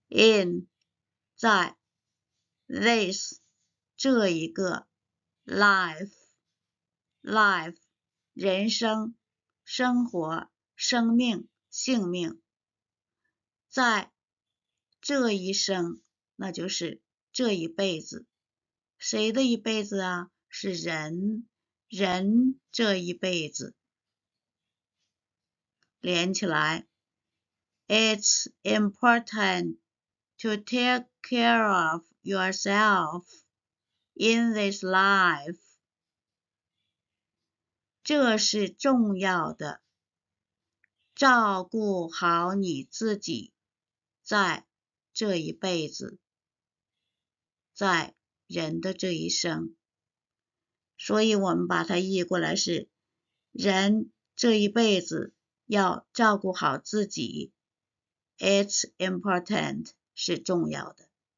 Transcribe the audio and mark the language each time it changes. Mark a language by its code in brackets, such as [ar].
[en] In this life, [zh] 这一个 [en] life [zh] life 人生、生活、生命、性命，在这一生，那就是这一辈子。谁的一辈子啊？是人，人这一辈子。连起来 [en] ，It's important to take care of yourself in this life. [zh] 这是重要的，照顾好你自己，在这一辈子，在人的这一生。所以我们把它译过来是，人这一辈子要照顾好自己， [en] It's important [zh] 是重要的。